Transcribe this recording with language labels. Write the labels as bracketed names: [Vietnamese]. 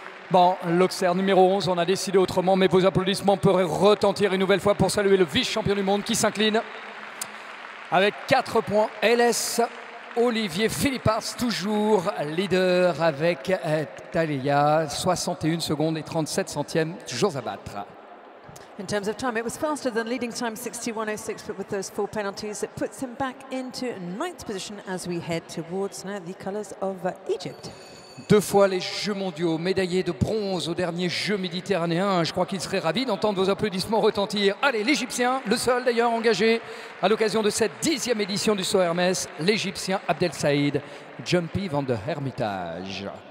[French] Bon, l'Auxerre numéro 11, on a décidé autrement, mais vos applaudissements pourraient retentir une nouvelle fois pour saluer le vice-champion du monde qui s'incline avec 4 points. LS. Olivier Philippars, toujours leader avec Talia, 61 secondes et 37 centièmes, toujours à battre. [English] In terms of time, it was faster than leading time, 61.06, but with those four penalties, it puts him back into ninth position as we head towards now the colors of Egypt. [French] Deux fois les Jeux mondiaux, médaillé de bronze au dernier Jeu méditerranéen. Je crois qu'il serait ravi d'entendre vos applaudissements retentir. Allez, l'Égyptien, le seul d'ailleurs engagé à l'occasion de cette 10e édition du saut Hermès, l'Égyptien Abdel Saïd, Jumpy van der Hermitage.